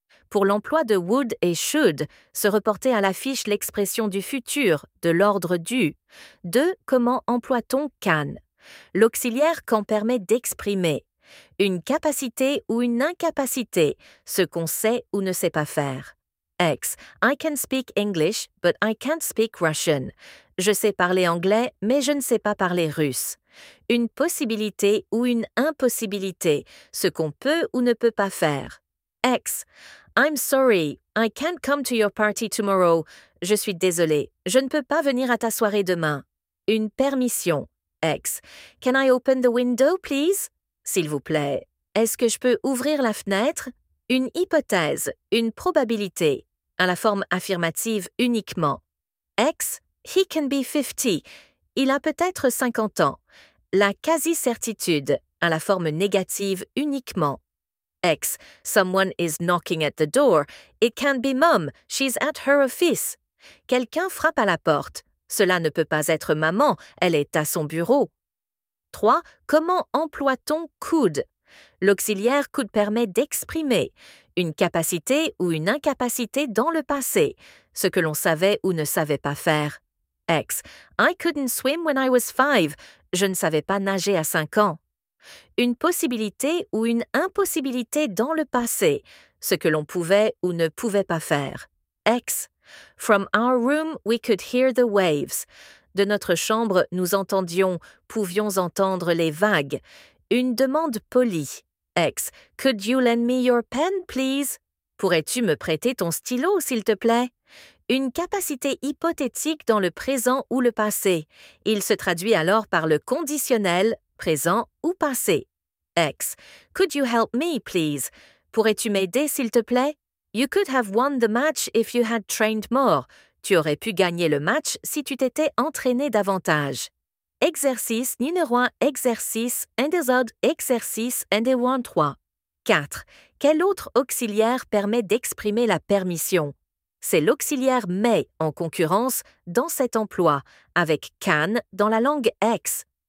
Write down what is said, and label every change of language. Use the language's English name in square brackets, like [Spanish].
[French] Pour l'emploi de would et should, se reporter à la fiche l'expression du futur, de l'ordre du. 2. Comment emploie-t-on can? L'auxiliaire quand permet d'exprimer une capacité ou une incapacité, ce qu'on sait ou ne sait pas faire. Ex. [English] I can speak English, but I can't speak Russian. [French] Je sais parler anglais, mais je ne sais pas parler russe. Une possibilité ou une impossibilité, ce qu'on peut ou ne peut pas faire. Ex. [English] I'm sorry, I can't come to your party tomorrow. [French] Je suis désolé, je ne peux pas venir à ta soirée demain. Une permission. Ex. [English] Can I open the window, please? [French] S'il vous plaît. Est-ce que je peux ouvrir la fenêtre? Une hypothèse, une probabilité, à la forme affirmative uniquement. Ex. [English] He can be 50. [French] Il a peut-être 50 ans. La quasi-certitude, à la forme négative uniquement. [English] Ex. Someone is knocking at the door. It can't be mom. She's at her office. [French] Quelqu'un frappe à la porte. Cela ne peut pas être maman. Elle est à son bureau. 3. Comment emploie-t-on could? L'auxiliaire could permet d'exprimer une capacité ou une incapacité dans le passé, ce que l'on savait ou ne savait pas faire. Ex. [English] I couldn't swim when I was 5. [French] Je ne savais pas nager à 5 ans. Une possibilité ou une impossibilité dans le passé, ce que l'on pouvait ou ne pouvait pas faire. Ex. [English] From our room, we could hear the waves. [French] De notre chambre, nous entendions, pouvions entendre les vagues. Une demande polie. Ex. [English] Could you lend me your pen, please? [French] Pourrais-tu me prêter ton stylo, s'il te plaît? Une capacité hypothétique dans le présent ou le passé. Il se traduit alors par le conditionnel, présent ou passé. Ex. [English] Could you help me, please? [French] Pourrais-tu m'aider, s'il te plaît? [English] You could have won the match if you had trained more. [French] Tu aurais pu gagner le match si tu t'étais entraîné davantage. Exercice numéro 1, exercice, indésordre, exercice, indéwan 3. 4. Quel autre auxiliaire permet d'exprimer la permission? C'est l'auxiliaire « may » en concurrence dans cet emploi, avec « can » dans la langue « x ».